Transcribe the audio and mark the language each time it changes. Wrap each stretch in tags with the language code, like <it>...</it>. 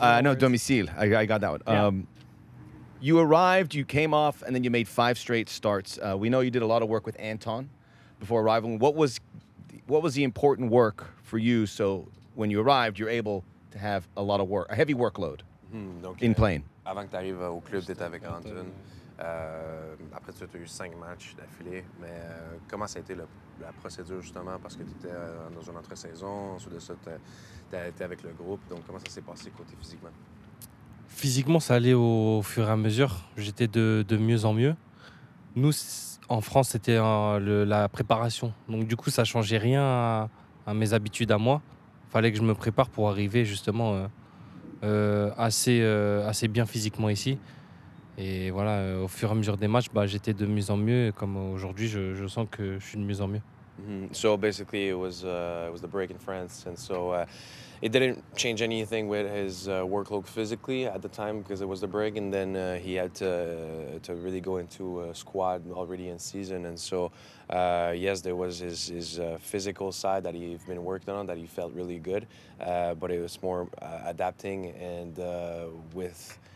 <en>I know. Domicile. I got that one. Yeah. You arrived, you came off, and then you made 5 straight starts. We know you did a lot of work with Anton before arriving. What was the important work for you? So when you arrived, you're able to have a lot of work, a heavy workload in playing.</en> <fr>Avant que t'arrives au club, t'étais avec Anton. Après, tu as eu 5 matchs d'affilée, mais comment ça a été la procédure justement, parce que tu étais dans une autre saison, ensuite de ça, tu as été avec le groupe, donc comment ça s'est passé côté physiquement? Physiquement, ça allait au fur et à mesure, j'étais de mieux en mieux. Nous, en France, c'était la préparation, donc du coup, ça ne changeait rien à mes habitudes à moi. Il fallait que je me prépare pour arriver justement assez bien physiquement ici. Et voilà, au fur et à mesure des matchs, j'étais de mieux en mieux. Et comme aujourd'hui, je sens que je suis de mieux en mieux. Mm-hmm.</fr> <en>So basically, it was the break in France, and so it didn't change anything with his workload physically at the time because it was the break, and then he had to really go into a squad already in season, and so yes, there was his physical side that he'd been working on that he felt really good, but it was more adapting and with.</en>